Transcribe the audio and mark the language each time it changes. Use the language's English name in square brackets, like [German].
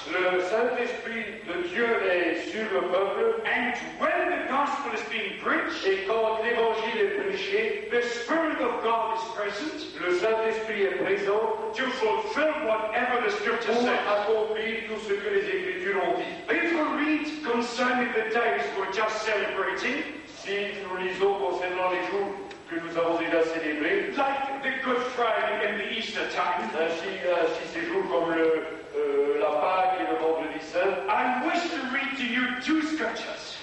[French] Le Saint-Esprit de Dieu est sur le peuple. [English] And when the gospel is being preached, [French] et quand l'Évangile est prêché, [English] the Spirit of God is present. [French] Le Saint-Esprit est présent. [English] To fulfill whatever the Scripture says. [French] Pour accomplir tout ce que les Écritures ont dit. [English] If we read concerning the days we're just celebrating, [French] si nous lisons concernant les jours que nous avons déjà célébré, [English] like the Good Friday and the Easter time, [French] ainsi ces jours comme la Pâque et le Vendredi Saint. [English] I wish to read to you two scriptures.